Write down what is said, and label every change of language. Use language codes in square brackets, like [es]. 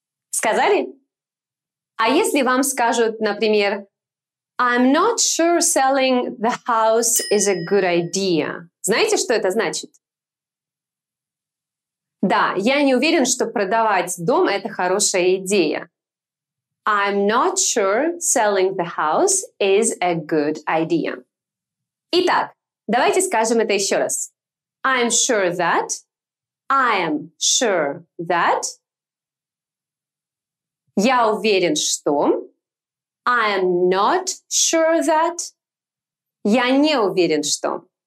[ru] Сказали? А если вам скажут, например, [en] I'm not sure selling the house is a good idea. [ru] Знаете, что это значит? Да, я не уверен, что продавать дом – это хорошая идея. [en] I'm not sure selling the house is a good idea. [ru] Итак, давайте скажем это еще раз. [en] I'm sure that. I am sure that. [ru] Я уверен, что. [en] I am not sure that. [ru] Я не уверен, что.